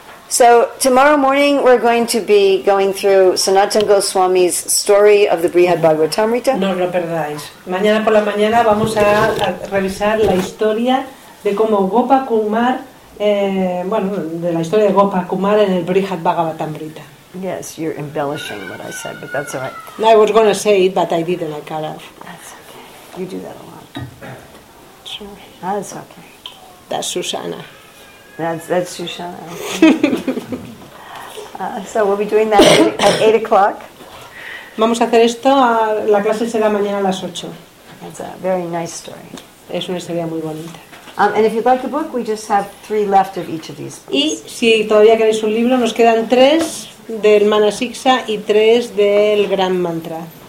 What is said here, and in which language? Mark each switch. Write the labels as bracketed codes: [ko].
[en] So tomorrow morning we're going to be going through Sanatan Goswami's story of the Brihad Bhagavatamrita. [es] No lo perdáis. Mañana por la mañana vamos a revisar la historia de cómo Gopa Kumar, bueno, de la historia de Gopa Kumar en el Brihad Bhagavatamrita. [en] Yes, you're embellishing what I said, but that's all right. No, I was going to say it, but I didn't, I cut off. That's okay. You do that a lot. Sure. That's okay. That's Susana. That's Susana. So we'll be doing that at 8 o'clock. [es] Vamos a hacer esto, la clase será mañana a las 8. [en] That's a very nice story. [es] Es una historia muy bonita. [en] And if you'd like the book, we just have 3 left of each of these books. [es] Y si todavía queréis un libro, nos quedan 3 del Manasiksha y 3 del Gran Mantra.